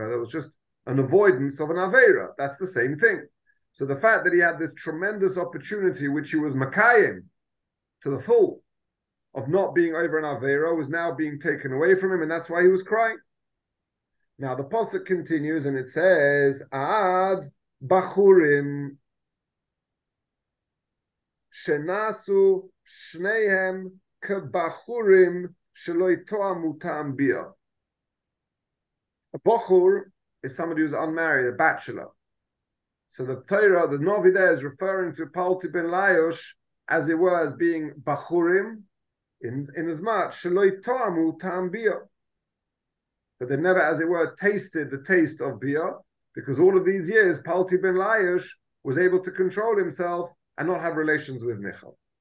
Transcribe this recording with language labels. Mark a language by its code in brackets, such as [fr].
[en] There was just an avoidance of an aveira. That's the same thing. So the fact that he had this tremendous opportunity, which he was makayim to the full, of not being over an aveira, was now being taken away from him, and that's why he was crying. Now, the pasuk continues, and it says, Ad [he] בחורים שנעשו שניהם כבחורים שלא יתואמו טעם ביה. [en] A bachur is somebody who's unmarried, a bachelor. So the Torah, the Novi there, is referring to Palti ben Laiosh as it were as being bachurim, in as much [he] shelo itoamu tam bia, [en] but they never, as it were, tasted the taste of bia, because all of these years Palti ben Laiosh was able to control himself and not have relations with Michal.